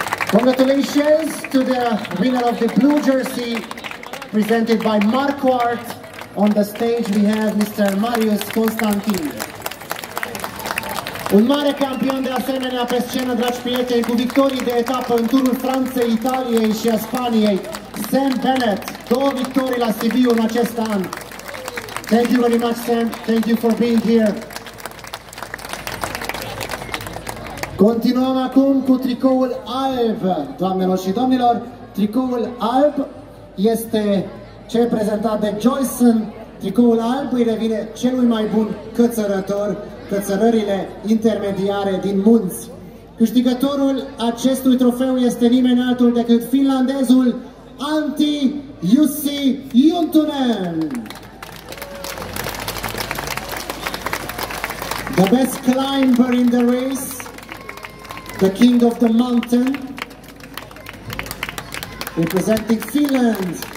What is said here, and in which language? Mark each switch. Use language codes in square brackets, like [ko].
[en] Congratulations to the winner of the blue jersey presented by Marquardt. On the stage we have Mr. Marius Constantin. [ro] Un mare campion de asemenea pe scenă, dragi prieteni, cu victorii de etapă în turul Franței, Italiei și a Spaniei, Sam Bennett, două victorii la Sibiu în acest an. [en] Thank you very much, Sam. Thank you for being here. [ro] Continuăm acum cu tricoul alb, doamnelor și domnilor. Tricoul alb este cel prezentat de Joyson. Tricoul alb îi revine celui mai bun cățărător, cățărările intermediare din munți. Câștigătorul acestui trofeu este nimeni altul decât finlandezul Antti Jussi Juntunen. [en] The best climber in the race, the king of the mountain, representing Finland.